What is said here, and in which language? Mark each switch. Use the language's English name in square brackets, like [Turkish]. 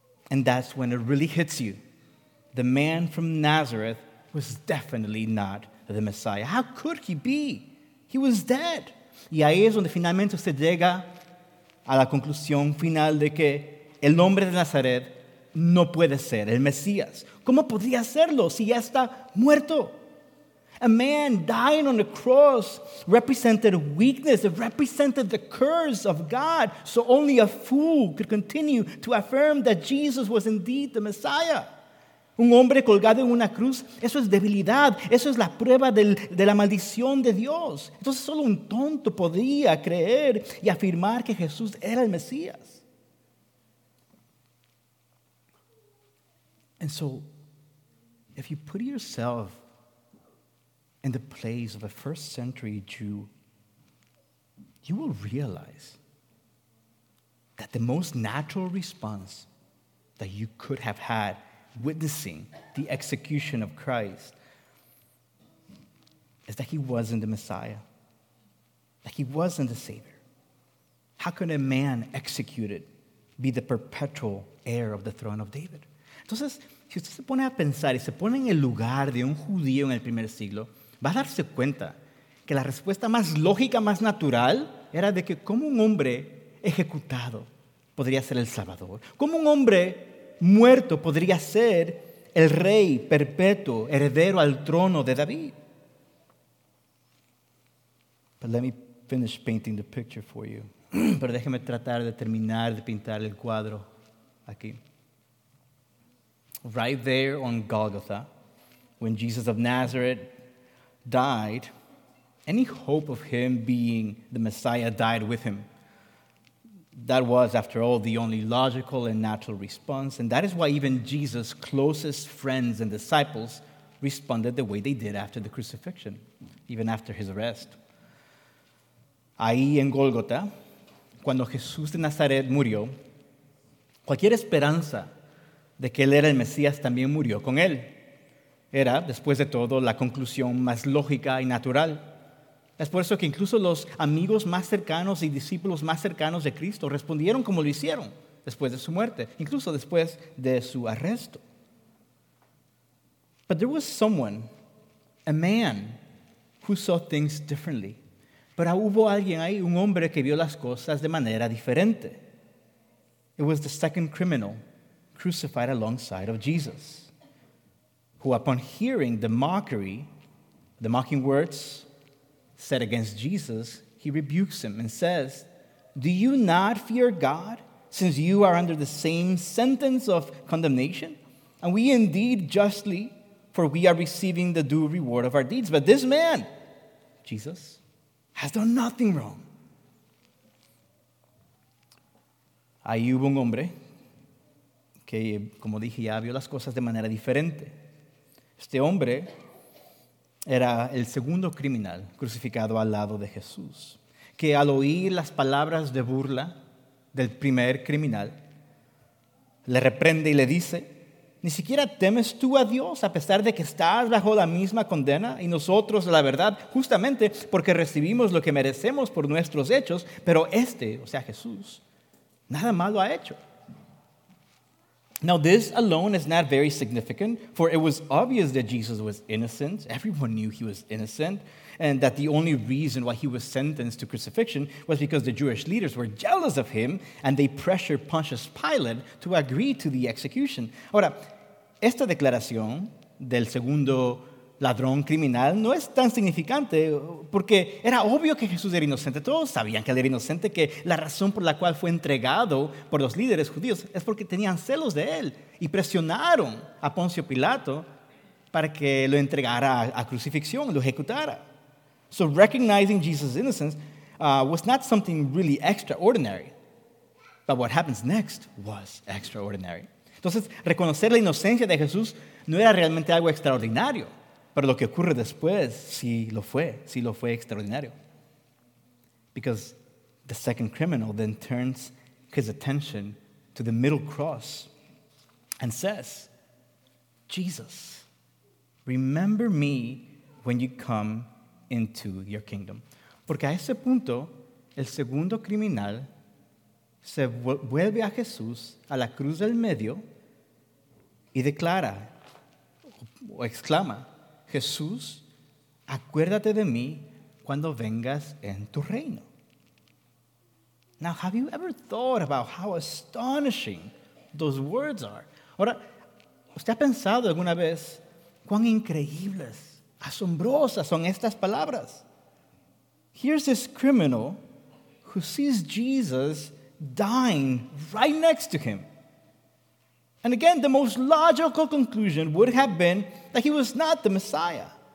[English] And that's when it really hits you. The man from Nazareth was definitely not the Messiah. How could he be? He was dead. [Spanish] Y ahí es donde finalmente usted llega a la conclusión final de que el hombre de Nazaret no puede ser el Mesías. ¿Cómo podría serlo si ya está muerto? [English] A man dying on the cross represented weakness. It represented the curse of God. So only a fool could continue to affirm that Jesus was indeed the Messiah. [Spanish] Un hombre colgado en una cruz, eso es debilidad. Eso es la prueba de la maldición de Dios. Entonces solo un tonto podía creer y afirmar que Jesús era el Mesías. [English] And so, if you put yourself in the place of a first century Jew, you will realize that the most natural response that you could have had witnessing the execution of Christ is that he wasn't the Messiah, that he wasn't the Savior. How can a man executed be the perpetual heir of the throne of David? [Spanish] Entonces, si usted se pone a pensar y se pone en el lugar de un judío en el primer siglo, va a darse cuenta que la respuesta más lógica, más natural, era de que cómo un hombre ejecutado podría ser el Salvador. Cómo un hombre muerto podría ser el rey perpetuo, heredero al trono de David. [English] But let me finish painting the picture for you. [Spanish] Pero déjeme tratar de terminar de pintar el cuadro aquí. [English] Right there on Golgotha, when Jesus of Nazareth died, any hope of him being the Messiah died with him. That was, after all, the only logical and natural response, and that is why even Jesus' closest friends and disciples responded the way they did after the crucifixion, even after his arrest. [Spanish] Ahí en Gólgota, cuando Jesús de Nazaret murió, cualquier esperanza de que él era el Mesías también murió con él. Era, después de todo, la conclusión más lógica y natural. Es por eso que incluso los amigos más cercanos y discípulos más cercanos de Cristo respondieron como lo hicieron después de su muerte, incluso después de su arresto. [English] But there was someone, a man, who saw things differently. [Spanish] Pero hubo alguien ahí, un hombre que vio las cosas de manera diferente. [English] It was the second criminal crucified alongside of Jesus, who upon hearing the mockery, the mocking words said against Jesus, he rebukes him and says, "Do you not fear God, since you are under the same sentence of condemnation? And we indeed justly, for we are receiving the due reward of our deeds. But this man, Jesus, has done nothing wrong." [Spanish] Ahí hubo un hombre que, como dije ya, vio las cosas de manera diferente. Este hombre era el segundo criminal crucificado al lado de Jesús, que al oír las palabras de burla del primer criminal, le reprende y le dice, ¿ni siquiera temes tú a Dios a pesar de que estás bajo la misma condena? Y nosotros, la verdad, justamente porque recibimos lo que merecemos por nuestros hechos, pero este, o sea, Jesús, nada malo ha hecho. [English] Now, this alone is not very significant, for it was obvious that Jesus was innocent. Everyone knew he was innocent, and that the only reason why he was sentenced to crucifixion was because the Jewish leaders were jealous of him, and they pressured Pontius Pilate to agree to the execution. [Spanish] Ahora, esta declaración del segundo ladrón criminal no es tan significante, porque era obvio que Jesús era inocente. Todos sabían que él era inocente, que la razón por la cual fue entregado por los líderes judíos es porque tenían celos de él y presionaron a Poncio Pilato para que lo entregara a crucifixión, lo ejecutara. [English] So recognizing Jesus' innocence was not something really extraordinary. But what happens next was extraordinary. [Spanish] Entonces, reconocer la inocencia de Jesús no era realmente algo extraordinario. Pero lo que ocurre después, sí lo fue extraordinario. [English] Because the second criminal then turns his attention to the middle cross and says, "Jesus, remember me when you come into your kingdom." [Spanish] Porque a ese punto, el segundo criminal se vuelve a Jesús a la cruz del medio y declara, o exclama, "Jesús, acuérdate de mí cuando vengas en tu reino." [English] Now, have you ever thought about how astonishing those words are? [Spanish] Ahora, ¿usted ha pensado alguna vez cuán increíbles, asombrosas son estas palabras? [English] Here's this criminal who sees Jesus dying right next to him. And again, the most logical conclusion would have been that he was not the Messiah.